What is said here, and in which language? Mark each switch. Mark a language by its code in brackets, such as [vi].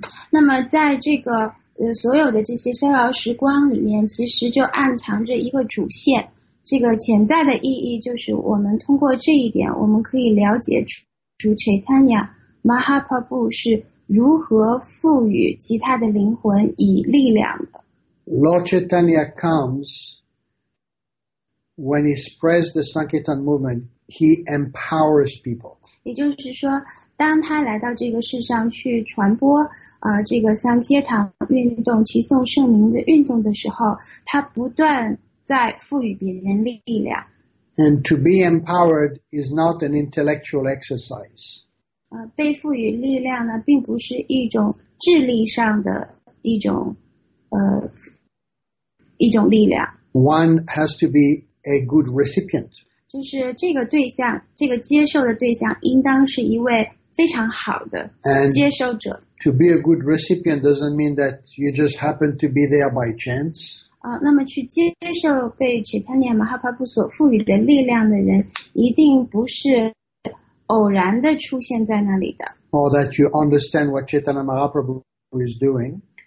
[zh] 那么在这个所有的这些逍遥时光里面，其实就暗藏着一个主线，这个潜在的意义就是我们通过这一点，我们可以了解主 Chaitanya Mahaprabhu 是如何赋予其他的灵魂以力量的。 [en] Lord Chaitanya comes when he spreads the Sankirtan movement, he empowers people. [zh] 也就是说，当他来到这个世上去传播这个桑帖坦运动、齐颂圣名的运动的时候，他不断在赋予别人力量。 [en] And to be empowered is not an intellectual exercise. [zh] 被赋予力量呢，并不是一种智力上的一种力量。 [en] One has to be a good recipient. [zh] 就是这个对象，这个接受的对象应当是一位非常好的接受者。 [en] And to be a good recipient doesn't mean that you just happen to be there by chance. [zh] 那么去接受被 Chaitanya Mahaprabhu 所赋予的力量的人，一定不是偶然的出现在那里的。 [en] Or that you understand what Chaitanya Mahaprabhu is doing.